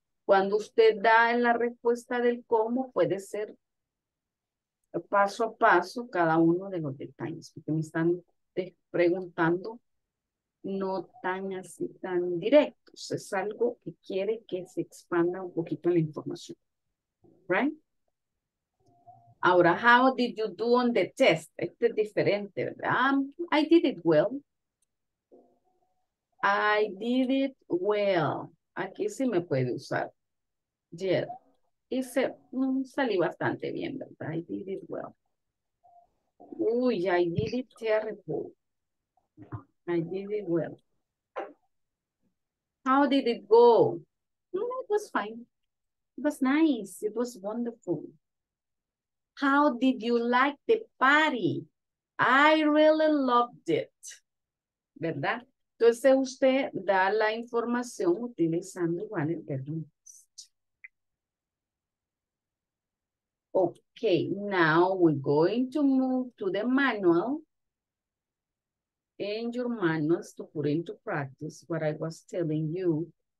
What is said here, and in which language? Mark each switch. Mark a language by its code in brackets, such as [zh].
[es] Cuando usted da la respuesta del cómo, puede ser paso a paso cada uno de los detalles, porque me están preguntando no tan así, tan directos. Es algo que quiere que se expanda un poquito la información. [en] Right? Ahora, how did you do on the test? [es] Este es diferente, ¿verdad? [en] I did it well. I did it well. [es] Aquí sí me puede usar. Yeah. Y se salí bastante bien, ¿verdad? [en] I did it well. Uy, I did it terrible. I did it well. How did it go? It was fine. It was nice. It was wonderful. How did you like the party? I really loved it. ¿Verdad? [es] Entonces usted da la información utilizando igual el verbo. [en] Okay, now we're going to move to the manual. In your manuals to put into practice what I was telling you.